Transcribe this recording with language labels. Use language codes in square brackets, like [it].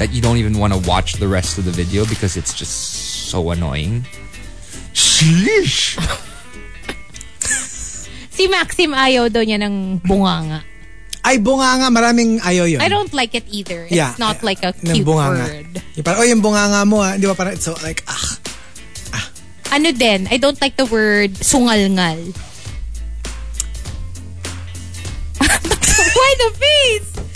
[en] That you don't even want to watch the rest of the video because it's just so annoying. Shish. [tl] Si Maxim ayaw daw niya ng bunganga. Ay, bunganga. Maraming ayaw yun. [en] I don't like it either. It's yeah, not like a cute bunganga. Word. [tl] Yung parang, yung bunganga mo, ha? Di ba parang, [en] so like, [tl] ah. Ano din, [en] I don't like the word sungalngal. Why the face?